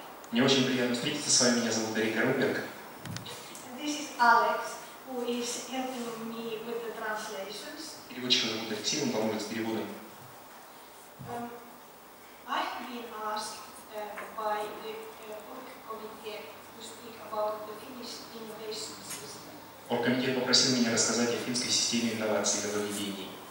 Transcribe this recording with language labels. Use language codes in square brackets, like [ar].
[ru] Мне очень приятно встретиться с вами. Меня зовут Эрика Руберг. [en] This is Alex, who is helping me with the translations. [ru] Переводчик зовут Алексей, он помогает с переводом. [en] I've been asked by the Orgcommittee to speak about the Finnish innovation system. [ru] Оргкомитет попросил меня рассказать о финской системе инноваций и нововведений.